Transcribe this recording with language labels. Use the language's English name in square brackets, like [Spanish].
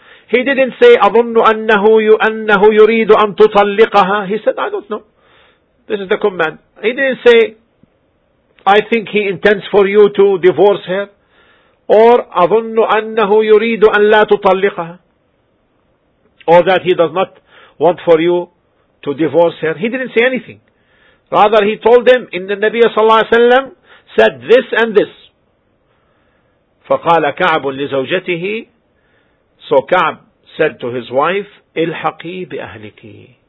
[English] He didn't say, [Arabic] أظن أنه يريد أن تطلقها. [English] He said, I don't know. This is the command. He didn't say, I think he intends for you to divorce her. Or, [Arabic] أظن أنه يريد أن لا تطلقها. [English] Or that he does not want for you to divorce her. He didn't say anything. Rather, he told them, [Arabic] إن النبي صلى الله عليه وسلم [English] said this and this. [Arabic] فقال كعب لزوجته, [English] so Ka'b said to his wife, [Arabic] إلحقي بأهلكي.